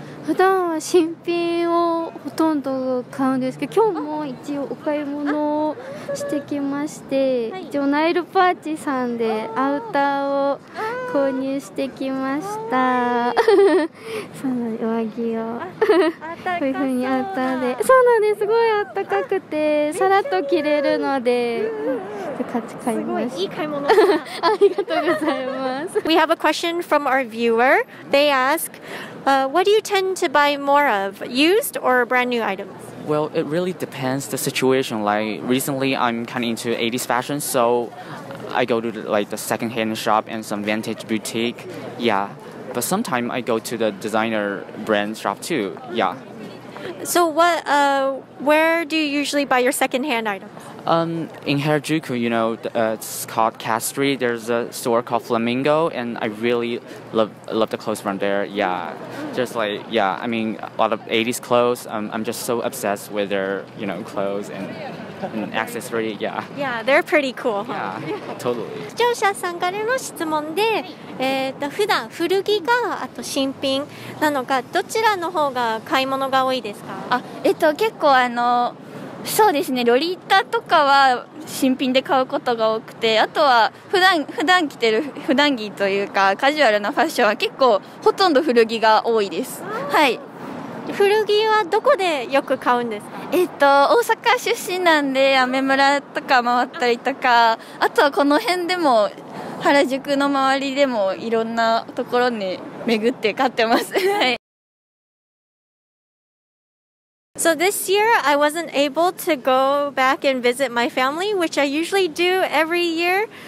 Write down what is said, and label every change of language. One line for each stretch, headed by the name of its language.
Japanese: 普段は新品をほとんど買うんですけど、今日も一応お買い物をしてきまして、一応ナイルパーチさんでアウターを購入してきました。その上着をこういう風にアウターで、そうなんです、すごいあったかくてさらっと着れるので、すごいいい買い物。ありがとうございます。
English: We have a question from our viewer. They askWhat do you tend to buy more of, used or brand new items? Well, it really depends the situation. Like recently, I'm kind of into 80s fashion, so I go to the secondhand shop and some vintage boutique. Yeah, but sometimes I go to the designer brand shop too. Yeah. So what? Where do you usually buy your secondhand items? In Harajuku, you know, it's called Cat Street. There's a store called Flamingo, and I really love the clothes from there. Yeah, just like, yeah, I mean, a lot of 80s clothes. I'm just so obsessed with their, you know, clothes and accessories. Yeah. Yeah, they're pretty cool. Yeah, totally.
Japanese: 視聴者さんからの質問で、普段古着かあと新品なのかどちらの方が買い物が多いですか？結構そうですね、ロリータとかは新品で買うことが多くて、あとは普段着てる普段着というかカジュアルなファッションは結構ほとんど古着が多いです。はい。古着はどこでよく買うんですか？大阪出身なんでアメ村とか回ったりとか、あとはこの辺でも原宿の周りでもいろんなところに巡って買ってます。はい。
English: So this year, I wasn't able to go back and visit my family, which I usually do every year.